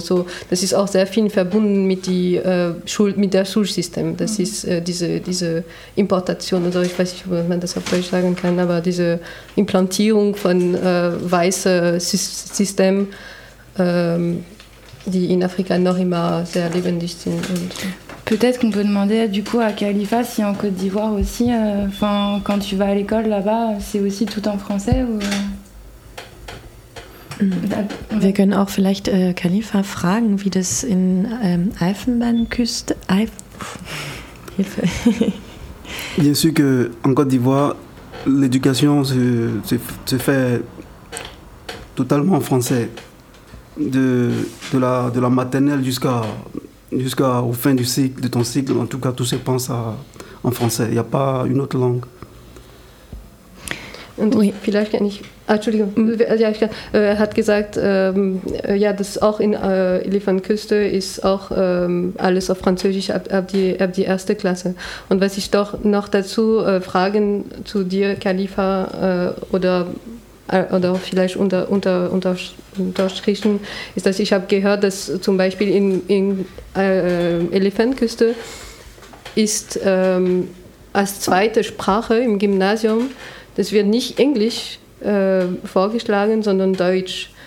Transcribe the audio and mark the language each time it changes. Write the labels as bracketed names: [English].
[German] So, das ist auch sehr viel verbunden mit, mit dem Schulsystem. Das ist diese Importation, oder ich weiß nicht, ob man das auf Deutsch sagen kann, aber diese Implantierung von weißem System, die in Afrika noch immer sehr lebendig sind. Und [French] peut-être qu'on peut demander du coup à Khalifa si en Côte d'Ivoire aussi, enfin quand tu vas à l'école là-bas, c'est aussi tout en français ou... [German] Wir können auch vielleicht Khalifa fragen, wie das in Elfenbeinküste. Hilfe. [French] Bien sûr que en Côte d'Ivoire, l'éducation se fait totalement en français, de la maternelle jusqu'au fin du cycle, de ton cycle, en tout cas, tout se passe en français. Il n'y a pas une autre langue. [German] Und oui. Vielleicht kann ich, Entschuldigung, ja, ich kann, er hat gesagt, ja, dass auch in Elfenbeinküste ist auch alles auf Französisch ab die erste Klasse. Und was ich doch noch dazu fragen zu dir, Khalifa, oder vielleicht unterstrichen, ist, dass ich habe gehört, dass zum Beispiel in Elfenbeinküste ist als zweite Sprache im Gymnasium, das wird nicht Englisch vorgeschlagen, sondern Deutsch.